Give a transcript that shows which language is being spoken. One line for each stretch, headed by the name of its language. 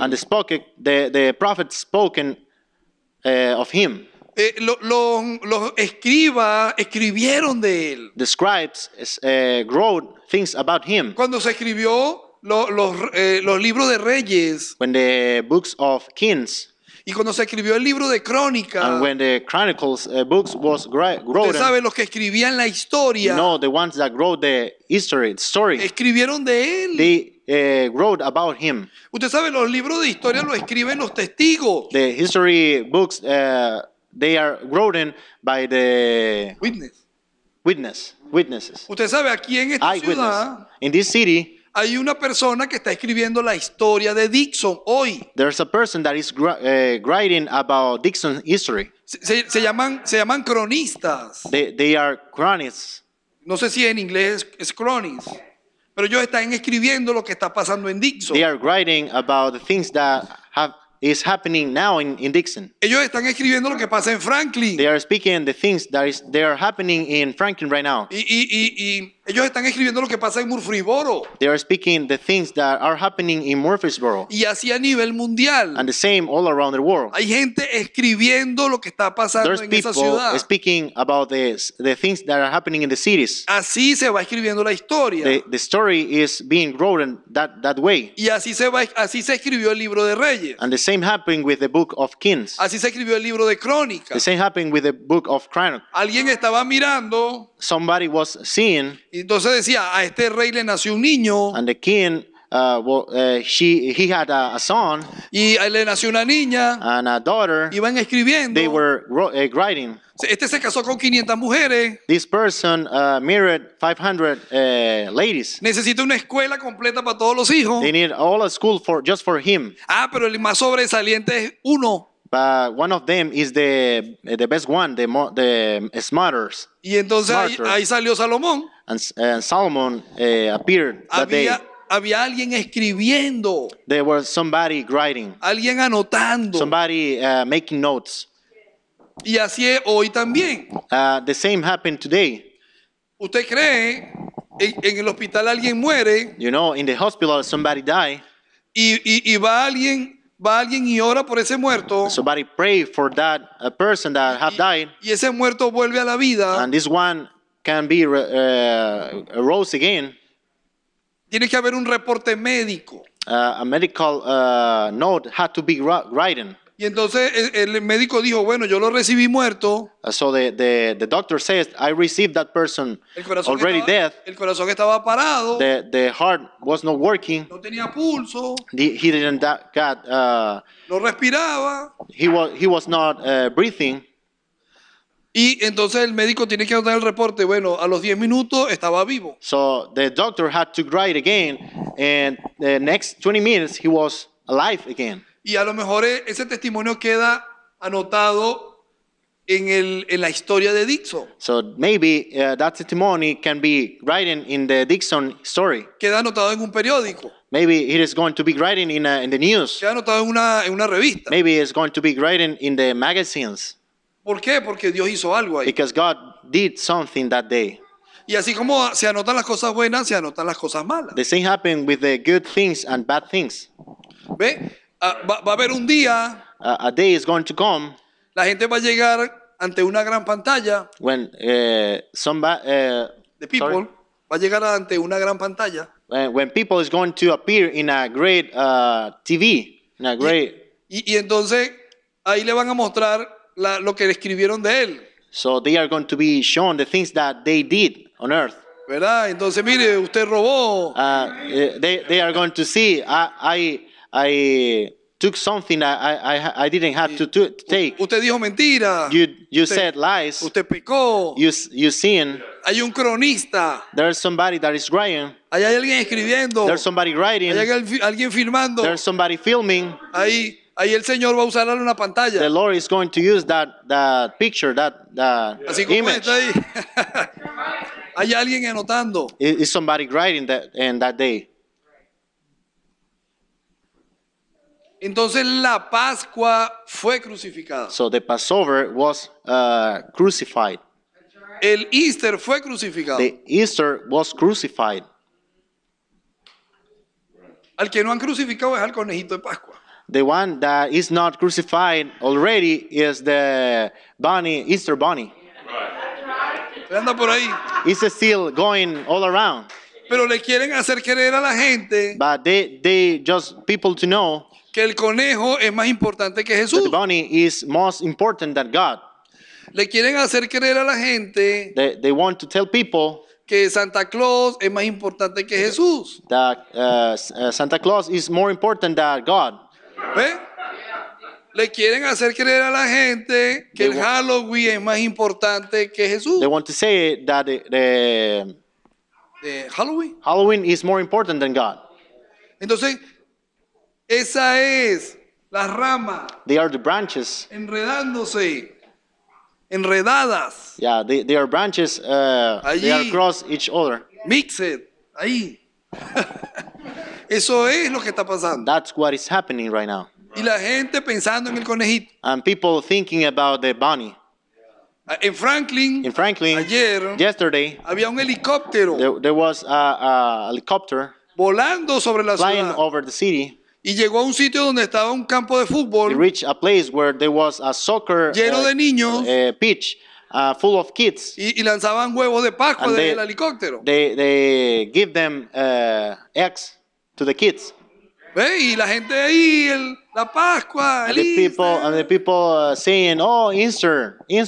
English: And the prophets spoken of him.
Spanish: Los escribas escribieron de él.
English: The scribes wrote things about him.
Spanish: Cuando se escribió los libros de reyes.
English: When the books of kings.
Spanish: Y cuando se escribió el libro de crónicas.
English: And when the chronicles books was wrote.
Spanish: Usted sabe, los que escribían la historia.
English: You know, the ones that wrote the history, the story.
Spanish: Escribieron de él.
English: They wrote about him.
Spanish: Usted sabe, los libros de historia los escriben los testigos.
English: The history books, they are written by the witnesses.
Spanish: Usted sabe, aquí en esta ciudad,
English: in this city,
Spanish: hay una persona que está escribiendo la historia de Dixon hoy.
English: There's a person that is writing about Dixon's history.
Spanish: Se llaman cronistas.
English: They are chronists.
Spanish: No sé si en inglés es cronies, pero ellos están escribiendo lo que está pasando en Dixon.
English: They are writing about the things that is happening now in Dixon.
Spanish: Ellos están escribiendo lo que pasa en Franklin.
English: They are speaking the things that is they are happening in Franklin right now.
Spanish: Y ellos están escribiendo lo que pasa en Murfreesboro.
English: They are speaking the things that are happening in Murfreesboro.
Spanish: Y así a nivel mundial.
English: And the same all around the world.
Spanish: Hay gente escribiendo lo que está pasando
English: There's
Spanish: en esa ciudad.
English: There's people speaking about the things that are happening in the cities.
Spanish: Así se va escribiendo la historia.
English: The story is being written that way.
Spanish: Y así se escribió el libro de Reyes.
English: And the same happened with the book of Kings.
Spanish: Así se escribió el libro de Crónicas.
English: The same happened with the book of Chronicles.
Spanish: Alguien estaba mirando.
English: Somebody was seeing.
Spanish: Entonces decía, a este rey le nació un niño.
English: And the king, he had a son.
Spanish: Y le nació una niña.
English: And a daughter.
Spanish: Iban escribiendo.
English: They were writing.
Spanish: Este se casó con 500 mujeres.
English: This person married 500 ladies.
Spanish: Necesita una escuela completa para todos los hijos.
English: They need all a school for just for him.
Spanish: Ah, pero el más sobresaliente es uno.
English: But one of them is the best one, the smarter.
Spanish: Y entonces ahí salió Salomón.
English: And Solomon appeared that day.
Spanish: Había alguien escribiendo.
English: There was somebody writing.
Spanish: Alguien anotando.
English: Somebody making notes.
Spanish: Y así es hoy también.
English: The same happened today.
Spanish: ¿Usted cree en el hospital alguien muere?
English: You know, in the hospital somebody die.
Spanish: Y va alguien y ora por ese muerto.
English: Somebody pray for that person that have died.
Spanish: Y ese muerto vuelve a la vida.
English: And this one can be arose again.
Spanish: Tiene que haber un reporte médico.
English: A medical note had to be written.
Spanish: Y entonces el médico dijo, bueno, yo lo recibí muerto.
English: So the doctor says, I received that person already dead.
Spanish: El corazón estaba parado.
English: The heart was not working.
Spanish: No tenía pulso.
English: He didn't got.
Spanish: No respiraba.
English: He was not breathing.
Spanish: Y entonces el médico tiene que dar el reporte. Bueno, a los 10 minutos estaba vivo.
English: So the doctor had to write again, and the next 20 minutes he was alive again.
Spanish: Y a lo mejor ese testimonio queda anotado en la historia de Dixon.
English: So maybe that testimony can be written in the Dixon story.
Spanish: Queda anotado en un periódico.
English: Maybe it is going to be written in the news.
Spanish: Queda anotado en una revista.
English: Maybe it's going to be written in the magazines.
Spanish: ¿Por qué? Porque Dios hizo algo ahí.
English: Because God did something that day.
Spanish: Y así como se anotan las cosas buenas, se anotan las cosas malas.
English: The same happened with the good things and bad things.
Spanish: ¿Ve? Va a haber un día.
English: A day is going to come.
Spanish: La gente va a llegar ante una gran pantalla.
English: When the people, sorry.
Spanish: Va a llegar ante una gran pantalla.
English: When people is going to appear in a great TV, in a great.
Spanish: Y entonces ahí le van a mostrar lo que escribieron de él.
English: So they are going to be shown the things that they did on earth.
Spanish: ¿Verdad? Entonces mire, usted robó.
English: They are going to see I took something I didn't have to take.
Spanish: Usted dijo mentira.
English: You said lies.
Spanish: Usted pecó.
English: You sin.
Spanish: Hay un cronista.
English: There's somebody that is writing.
Spanish: Ahí hay alguien escribiendo.
English: There's somebody writing.
Spanish: Ahí hay alguien filmando.
English: There's somebody filming.
Spanish: Ahí el Señor va a usar una pantalla.
English: The Lord is going to use that picture,
Spanish: así como
English: image.
Spanish: Está ahí. Hay alguien anotando.
English: Is somebody writing that in that day?
Spanish: Entonces la Pascua fue crucificada.
English: So the Passover was crucified.
Spanish: El Easter fue crucificado.
English: The Easter was crucified.
Spanish: Al que no han crucificado es al conejito de Pascua.
English: The one that is not crucified already is the bunny, Easter bunny. Right.
Spanish: Anda por ahí.
English: It's still going all around.
Spanish: Pero le quieren hacer creer a la gente.
English: But they just people to know.
Spanish: Que el conejo es más importante que Jesús.
English: The bunny is most important than God.
Spanish: Le quieren hacer creer a la gente.
English: They want to tell people.
Spanish: que Santa Claus es más importante que Jesús.
English: That Santa Claus is more important than God.
Spanish: ¿Eh? Le quieren hacer creer a la gente que el Halloween es más importante que Jesús.
English: They want to say that the Halloween. Halloween is more important than God.
Spanish: Entonces, esa es la rama.
English: They are the branches.
Spanish: Enredándose. Enredadas.
English: Yeah, they are branches.
Spanish: Allí,
English: they are across each other. Mixed.
Spanish: Ahí. Eso es lo que está pasando.
English: That's what is happening right now.
Spanish: Y la gente pensando en el conejito.
English: And people thinking about the bunny.
Spanish: In Franklin, ayer,
English: yesterday,
Spanish: había un helicóptero.
English: There was a helicopter
Spanish: volando sobre la
English: flying
Spanish: ciudad.
English: Flying over the city.
Spanish: Y llegó a un sitio donde estaba un campo de fútbol.
English: It reached a place where there was a soccer
Spanish: lleno de niños,
English: pitch, full of kids.
Spanish: Y lanzaban huevos de Pascua desde el helicóptero.
English: They give them eggs to the kids.
Spanish: Hey, y la gente ahí, la Pascua, el Easter.
English: And the people saying, oh, Easter.